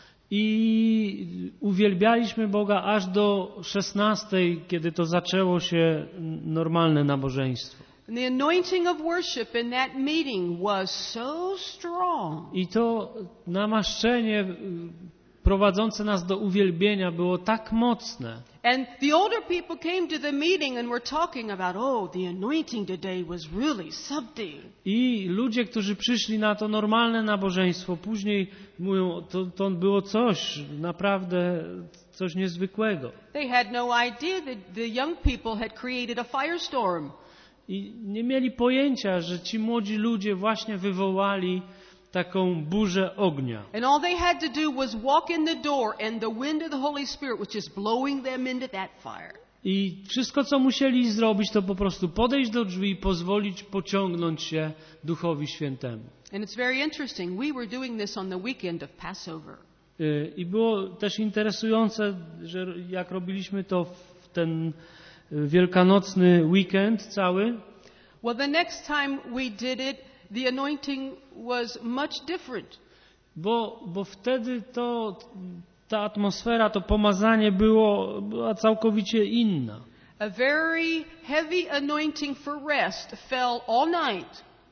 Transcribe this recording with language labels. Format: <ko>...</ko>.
<pl>I uwielbialiśmy Boga aż do 16, kiedy to zaczęło się normalne nabożeństwo.</pl> <en>And the anointing of worship in that meeting was so strong.</en> <pl>I to namaszczenie prowadzące nas do uwielbienia było tak mocne.</pl> <en>And the older people came to the meeting and were talking about, oh, the anointing today was really something.</en> <pl>I ludzie, którzy przyszli na to normalne nabożeństwo, później mówią, to było coś, naprawdę coś niezwykłego.</pl> <en>They had no idea that the young people had created a firestorm.</en> <pl>I nie mieli pojęcia, że ci młodzi ludzie właśnie wywołali taką burzę ognia.</pl> <en>And all they had to do was walk in the door and the wind of the Holy Spirit was just blowing them into that fire.</en> <pl>I wszystko, co musieli zrobić, to po prostu podejść do drzwi i pozwolić pociągnąć się Duchowi Świętemu.</pl> <en>And it's very interesting. We were doing this on the weekend of Passover.</en> <pl>I było też interesujące, że jak robiliśmy to w ten wielkanocny weekend cały.</pl> <en>Well, the next time we did it, the anointing was much different.</en> <pl>Bo wtedy ta atmosfera, to pomazanie była całkowicie inna.</pl> <en>A very heavy anointing for rest fell all night.</en>